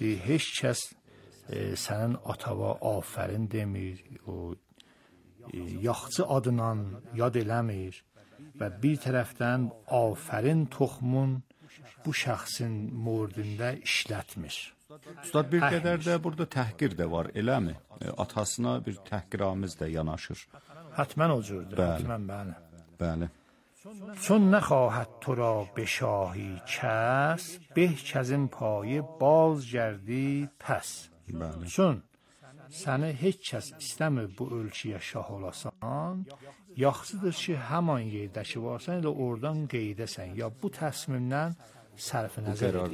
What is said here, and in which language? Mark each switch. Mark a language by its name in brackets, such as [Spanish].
[Azerbaijani] Heç kəs sənin atava afərin demir, o yaxçı adından yad eləmir və bir tərəfdən afərin toxumun bu şəxsin mordində işlətmir. Ustad, bir qədər də burada təhqir də var, eləmi? Atasına bir təhqiramız da yanaşır. Hətmən o cürdür, hətmən bəli. Bəli. [Persian] Çün nəxahət tura beşahi kəs, beh kəzin payı baz gərdi pəs. [Azerbaijani] Bəli. Çün səni heç kəs istəmir bu ölkəyə şah olasan, yaxşıdır ki, həman yerdə ki, varsan, elə oradan qeydəsən, ya bu təsmimdən sərf nəzər edirsən.